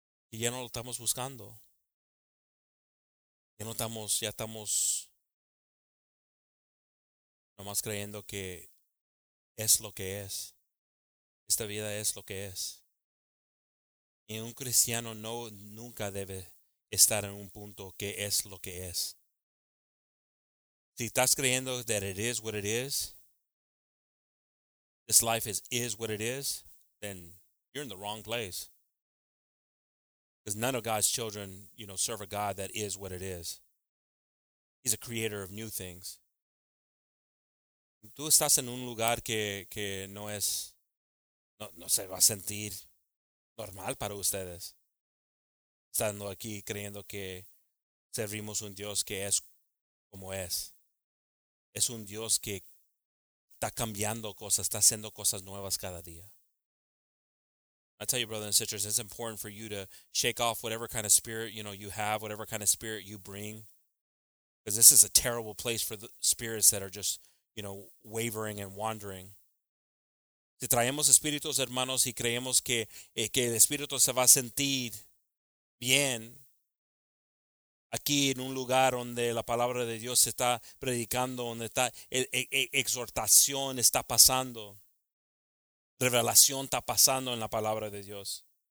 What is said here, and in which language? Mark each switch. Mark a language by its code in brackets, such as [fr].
[es] Y ya no lo estamos buscando. Ya estamos nomás creyendo que es lo que es. Esta vida es lo que es. Y un cristiano nunca debe estar en un punto que es lo que es. Si estás creyendo [en] that it is what it is, this life is what it is, then you're in the wrong place. Because none of God's children, you know, serve a God that is what it is. He's a creator of new things. [es] Tú estás en un lugar que no es, no se va a sentir normal para ustedes. Estando aquí creyendo que servimos un Dios que es como es. Es un Dios que está cambiando cosas, está haciendo cosas nuevas cada día. [en] I tell you, brothers and sisters, it's important for you to shake off whatever kind of spirit, you know, you have, whatever kind of spirit you bring. Because this is a terrible place for the spirits that are just, you know, wavering and wandering. [es] Si traemos espíritus, hermanos, y creemos que el espíritu se va a sentir bien, aquí en un lugar donde la palabra de Dios se está predicando, donde está exhortación está pasando, revelación está pasando en la palabra de Dios.